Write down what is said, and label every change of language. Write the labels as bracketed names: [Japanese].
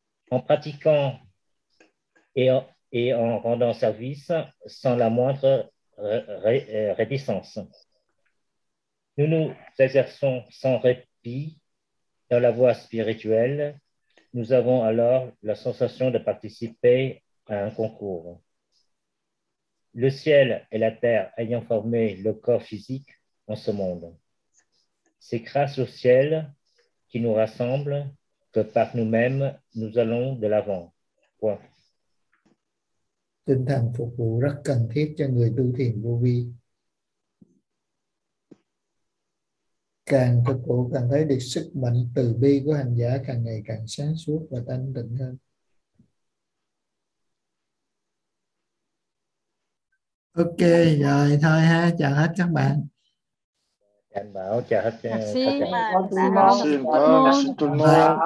[French] En pratiquant et en rendant service sans la moindre réticence, nous nous exerçons sans répit dans la voie spirituelle, nous avons alors la sensation de participer à un concours. Le ciel et la terre ayant formé le corps physique en ce monde. C'est grâce au ciel qui nous rassemble que par nous-mêmes, nous allons de l'avant. Point. [Vietnamese] Tinh thần phục vụ rất cần thiết cho người tu thiền vô vi. Càng phục vụ càng thấy được sức mạnh từ bi của hành giả càng ngày càng sáng suốt và thanh tịnh hơn. Ok, rồi thôi ha, chào hết các bạn. Anh Bảo chào hết các bạn. [French] Merci, merci tout le monde.